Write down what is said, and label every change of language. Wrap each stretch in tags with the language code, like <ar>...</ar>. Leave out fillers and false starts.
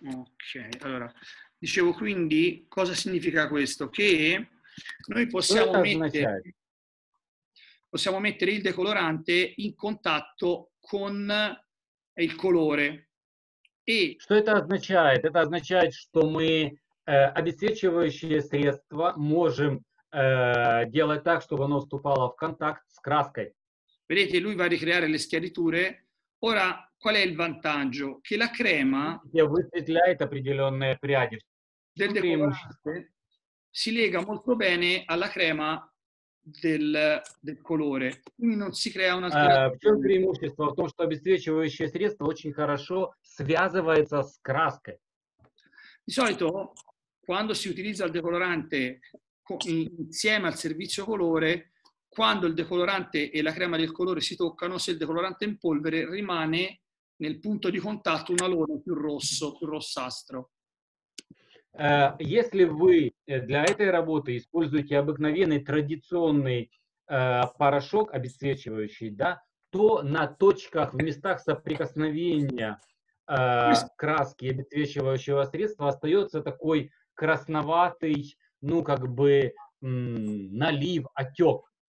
<it>Ok, allora dicevo, quindi cosa significa questo? Che noi possiamo mettere il decolorante in contatto con il colore.</it> <ru>E что это означает? Это означает, что мы обесцвечивающее средство можем делать так, чтобы оно вступало в контакт с краской.</ru> <it>Vedete, lui va a ricreare le schiariture. Ora, qual è il vantaggio? Che la crema</it> <ru>высветляет определенные пряди.</ru> <it>Del decolorante si lega molto bene alla crema del colore, quindi non si crea una</it> <ru>преимущество в том, что обесцвечивающее средство очень хорошо связывается с краской.</ru> <it>Di solito quando si utilizza il decolorante insieme al servizio colore, quando il decolorante e la crema del colore si toccano, se il decolorante è in polvere rimane nel punto di contatto un alone più rossastro.</it> <ru>Если вы для этой работы используете обыкновенный традиционный порошок обесцвечивающий, да, то на точках, в местах соприкосновения краски обесцвечивающего средства остается такой красноватый, ну как бы налив, отек.</ru>